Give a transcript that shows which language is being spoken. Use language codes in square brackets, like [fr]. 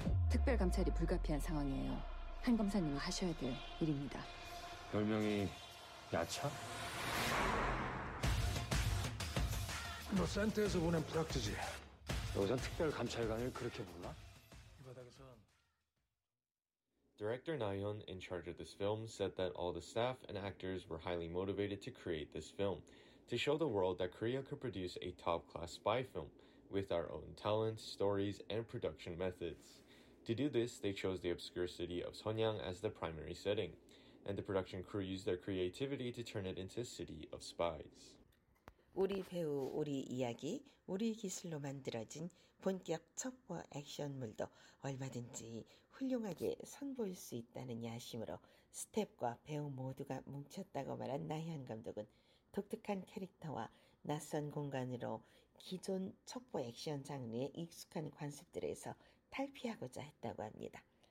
[ko] 특별 감찰이 불가피한 상황이에요. 한 검사님이 하셔야 될 일입니다. 별명이 야차? 너 센터에서 보낸 프락트지. 여기선 특별 감찰관을 그렇게 부르나? 이 바닥에선. [en] Director Na-hyun, in charge of this film, said that all the staff and actors were highly motivated to create this film, to show the world that Korea could produce a top-class spy film with our own talents, stories, and production methods. To do this, they chose the obscure city of Sonyang as the primary setting, and the production crew used their creativity to turn it into a city of spies. [ko] 우리 배우, 우리 이야기, 우리 기술로 만들어진 본격 첩보 액션물도 얼마든지 훌륭하게 선보일 수 있다는 야심으로 스태프과 배우 모두가 뭉쳤다고 말한 나현 감독은 독특한 캐릭터와 낯선 공간으로 기존 첩보 액션 장르의 익숙한 관습들에서 탈피하고자 했다고 합니다.